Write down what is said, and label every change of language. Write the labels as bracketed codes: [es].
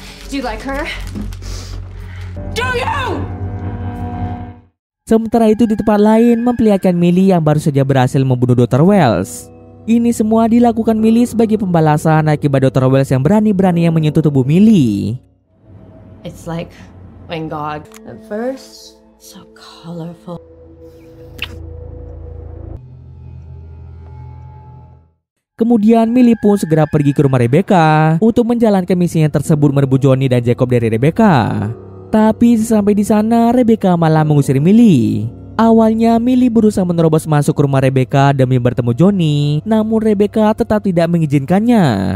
[en] Do you like her? Do you? [id] Sementara itu di tempat lain, memperlihatkan Millie yang baru saja berhasil membunuh Dr. Wells. Ini semua dilakukan Millie sebagai pembalasan akibat Dr. Wells yang berani-beraninya menyentuh tubuh Millie. [en] It's like when God at first so colorful. [id] Kemudian Millie pun segera pergi ke rumah Rebecca untuk menjalankan misinya tersebut merebut Johnny dan Jacob dari Rebecca. Tapi sesampai di sana, Rebecca malah mengusir Millie. Awalnya Millie berusaha menerobos masuk ke rumah Rebecca demi bertemu Johnny, namun Rebecca tetap tidak mengizinkannya.